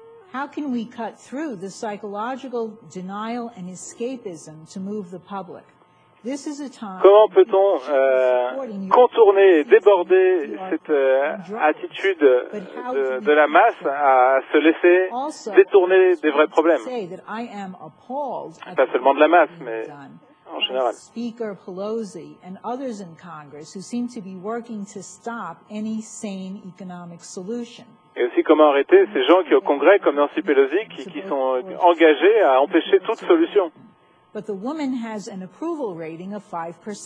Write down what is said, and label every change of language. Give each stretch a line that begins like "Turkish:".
English: How can we cut through the psychological denial and escapism to move the public? This is a time.
French: Comment peut-on contourner et déborder cette attitude de la masse à se laisser détourner des vrais problèmes? Pas seulement de la masse, mais en général.
English: Speaker Pelosi and others in Congress who seem to be working to stop any sane economic solution.
French: Et aussi comment arrêter ces gens qui au Congrès, comme Nancy Pelosi, qui sont engagés à empêcher toute solution.
English: But the woman has an approval rating of 5%.